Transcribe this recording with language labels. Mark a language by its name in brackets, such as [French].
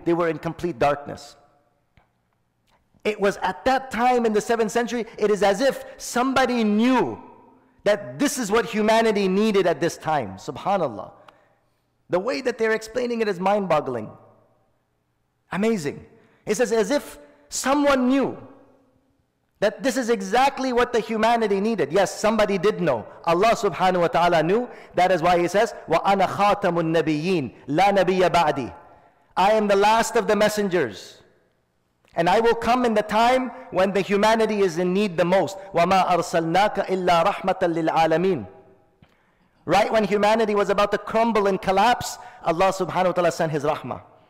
[English] They were in complete darkness. It was at that time in the 7th century, it is as if somebody knew that this is what humanity needed at this time. Subhanallah. The way that they're explaining it is mind-boggling. Amazing. It says as if someone knew that this is exactly what the humanity needed. Yes, somebody did know. Allah subhanahu wa ta'ala knew. That is why he says, [Arabic] وَأَنَا خَاتَمُ النَّبِيِّينَ لَا نَبِيَّ بَعْدِي. [English] I am the last of the messengers. And I will come in the time when the humanity is in need the most. [Arabic] وَمَا أَرْسَلْنَاكَ إِلَّا رَحْمَةً لِلْعَالَمِينَ. [English] Right when humanity was about to crumble and collapse, Allah subhanahu wa ta'ala sent His rahmah.